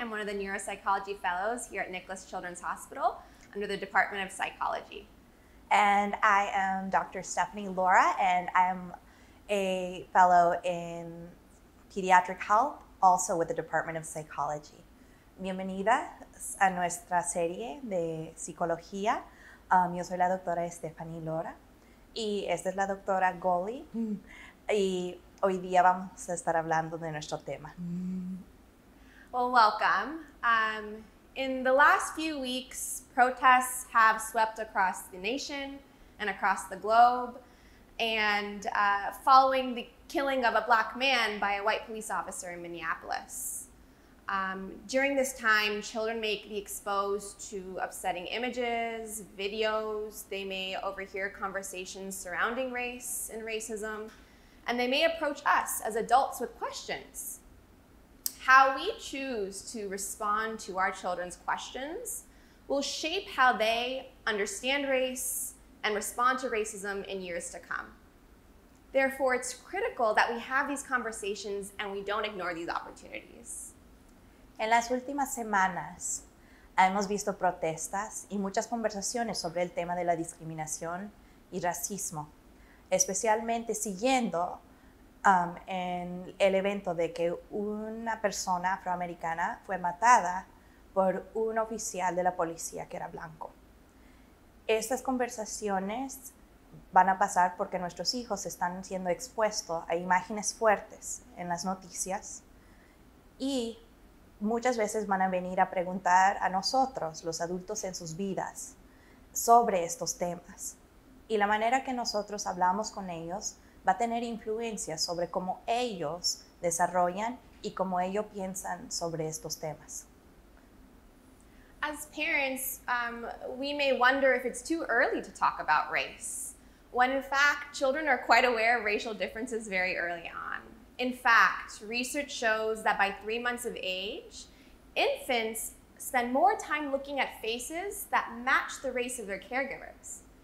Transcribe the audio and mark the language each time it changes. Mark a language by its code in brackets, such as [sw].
[en] I'm one of the neuropsychology fellows here at Nicklaus Children's Hospital under the Department of Psychology. And I am Dr. Stephanie Laura, and I'm a fellow in pediatric health, also with the Department of Psychology. [es] Bienvenidas a nuestra serie de psicología. Yo soy la doctora Stephanie Laura, y esta es la doctora Goli. Y hoy día vamos a estar hablando de nuestro tema. [en] Well, welcome. In the last few weeks, protests have swept across the nation and across the globe. And following the killing of a black man by a white police officer in Minneapolis. During this time, children may be exposed to upsetting images, videos. They may overhear conversations surrounding race and racism. And they may approach us as adults with questions. How we choose to respond to our children's questions will shape how they understand race and respond to racism in years to come. Therefore, it's critical that we have these conversations and we don't ignore these opportunities. [es] En las últimas semanas, hemos visto protestas y muchas conversaciones sobre el tema de la discriminación y racismo, especialmente siguiendo en el evento de que una persona afroamericana fue matada por un oficial de la policía que era blanco. Estas conversaciones van a pasar porque nuestros hijos están siendo expuestos a imágenes fuertes en las noticias y muchas veces van a venir a preguntar a nosotros, los adultos en sus vidas, sobre estos temas. Y la manera que nosotros hablamos con ellos va a tener influencia sobre cómo ellos desarrollan y cómo ellos piensan sobre estos temas. [en] As parents, we may wonder if it's too early to talk about race, when in fact, children are quite aware of racial differences very early on. In fact, research shows that by 3 months of age, infants spend more time looking at faces that match the race of their caregivers.